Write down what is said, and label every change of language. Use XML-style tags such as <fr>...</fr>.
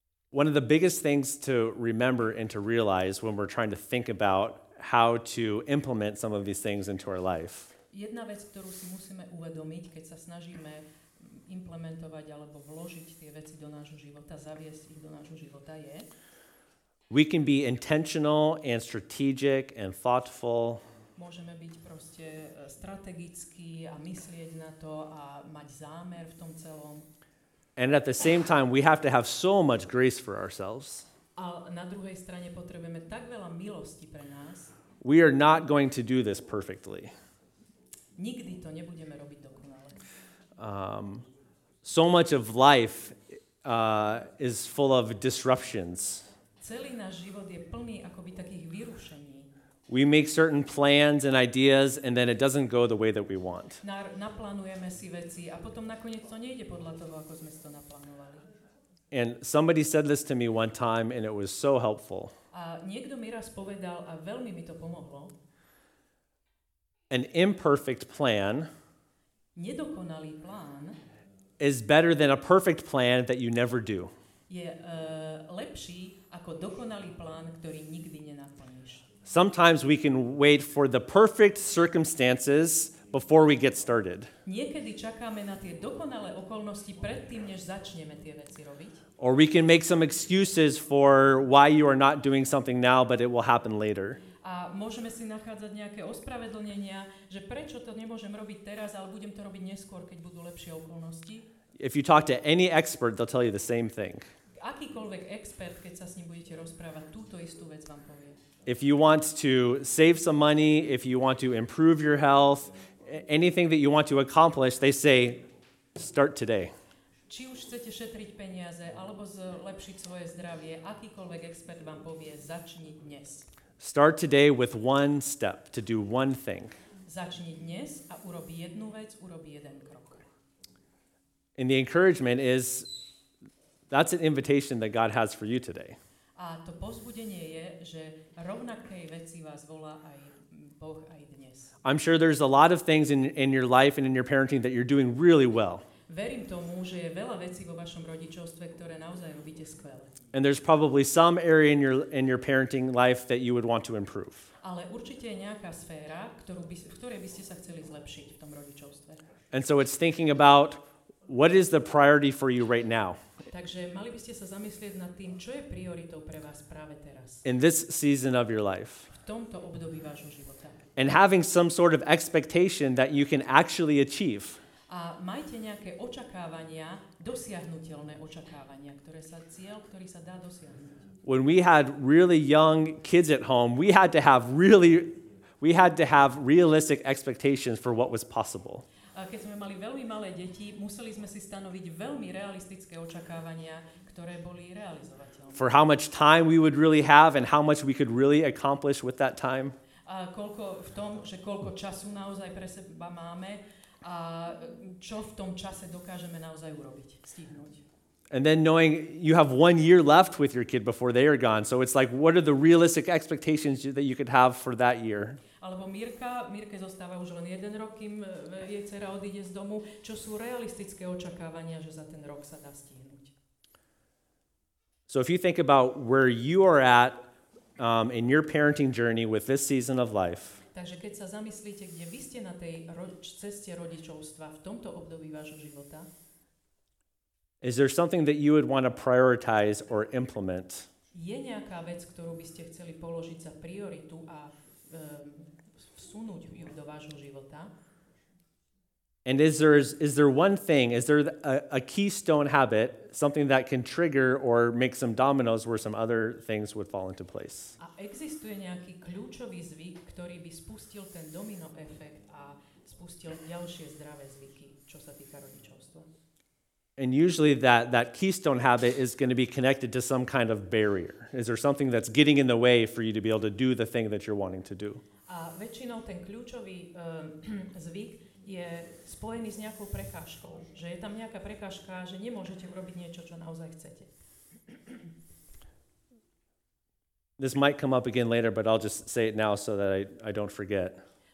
<en>One of the biggest things to remember and to realize when we're trying to think about how to implement some of these things into our life.</en> <sk>Jedna vec, ktorú si musíme uvedomiť, keď sa snažíme implementovať alebo vložiť tie veci do nášho života, zaviesť ich do nášho života je.</sk> <en>We can be intentional and strategic and thoughtful.</en> <sk>Môžeme byť proste strategický a myslieť na to a mať zámer v tom celom.</sk> <en>And at the same time, we have to have so much grace for ourselves.</en> <sk>A na druhej strane potrebujeme tak veľa milosti pre nás.</sk> <en>We are not going to do this perfectly.</en> <sk>Nikdy to nebudeme robiť dokonale.</sk> <en>So much of life is full of disruptions.</en> <sk>Celý náš život je plný akoby takých vyrušení.</sk> <en>We make certain plans and ideas and then it doesn't go the way that we want.</en> <sk>Naplánujeme si veci a potom nakoniec to nejde podľa toho, ako sme si to naplánovali.</sk> <en>And somebody said this to me one time and it was so helpful.</en> <sk>A niekto mi raz povedal a veľmi mi to pomohlo.</sk> <en>An imperfect plan,</en> <sk>nedokonalý plán,</sk> <en>is better than a perfect plan that you never do.</en> <sk>Je lepší ako dokonalý plán, ktorý nikdy nenaplníš.</sk> <en>Sometimes we can wait for the perfect circumstances before we get started.</en> <sk>Niekedy čakáme na tie dokonalé okolnosti predtým, než začneme tie veci robiť.</sk> <en>Or we can make some excuses for why you are not doing something now, but it will happen later.</en> <sk>A môžeme si nachádzať nejaké ospravedlnenia, že prečo to nemôžem robiť teraz, ale budem to robiť neskôr, keď budú lepšie okolnosti.</sk> <en>If you talk to any expert, they'll tell you the same thing.</en> <sk>Akýkoľvek expert, keď sa s ním budete rozprávať, túto istú vec vám povie.</sk> <en>If you want to save some money, if you want to improve your health, anything that you want to accomplish, they say, start today.</en> <sk>Či už chcete šetriť peniaze, alebo zlepšiť svoje zdravie, akýkoľvek expert vám povie, začni dnes.</sk> <en>Start today with one step, to do one thing.</en> <sk>Začni dnes a urobi jednu vec, urobi jeden krok.</sk> <en>And the encouragement is, that's an invitation that God has for you today.</en> <sk>A to povzbudenie je, že rovnakej veci vás volá aj Boh aj dnes.</sk> <en>I'm sure there's a lot of things in your life and in your parenting that you're doing really well.</en> <sk>Verím tomu, že je veľa vecí vo vašom rodičovstve, ktoré naozaj robíte skvele.</sk> <en>And there's probably some area in your parenting life that you would want to improve.</en> <sk>Ale určite je nejaká sféra, ktorej by ste sa chceli zlepšiť v tom rodičovstve.</sk> <en>And so it's thinking about what is the priority for you right now.</en> <sk>Takže mali by ste sa zamyslieť nad tým, čo je prioritou pre vás práve teraz.</sk> <en>In this season of your life.</en> <sk>V tomto období vášho života.</sk> <en>And having some sort of expectation that you can actually achieve.</en> <sk>A majte nejaké očakávania, dosiahnutelné očakávania, ktoré sa cieľ, ktorý sa dá dosiahnuť.</sk> <en>When we had really young kids at home, we had to have realistic expectations for what was possible.</en> <sk>A keď sme mali veľmi malé deti, museli sme si stanoviť veľmi realistické očakávania, ktoré boli realizovateľné.</sk> <en>For how much time we would really have and how much we could really accomplish with that time.</en> <sk>A koľko v tom, že koľko času naozaj pre seba máme a čo v tom čase dokážeme naozaj urobiť, stihnúť.</sk> <en>And then knowing you have 1 year left with your kid before they are gone, so it's like, what are the realistic expectations that you could have for that year?</en> <sk>Alebo Mirke zostáva už len jeden rok, kým jej dcera odíde z domu. Čo sú realistické očakávania, že za ten rok sa dá stihnúť?</sk> <en>So if you think about where you are at in your parenting journey with this season of life.</en> <sk>Takže keď sa zamyslíte, kde vy ste na tej ceste rodičovstva v tomto období vášho života,</sk> <en>is there something that you would want to prioritize or implement?</en> <sk>Je nejaká vec, ktorú by ste chceli položiť za prioritu a vsunúť ju do vášho života?</sk> <en>And is there one thing, is there a keystone habit, something that can trigger or make some dominoes where some other things would fall into place?</en> <sk>A existuje nejaký kľúčový zvyk, ktorý by spustil ten domino efekt a spustil ďalšie zdravé zvyky, čo sa týka rodičovstva?</sk> <en>And usually that keystone habit is going to be connected to some kind of barrier. Is there something that's getting in the way for you to be able to do the thing that you're wanting to do?</en> <sk>A väčšinou ten kľúčový zvyk je spojený s nejakou prekážkou, že je tam nejaká prekážka, že nemôžete urobiť niečo, čo naozaj chcete.</sk> <en>This might come up again later, but I'll just say it now so that I don't forget.</en>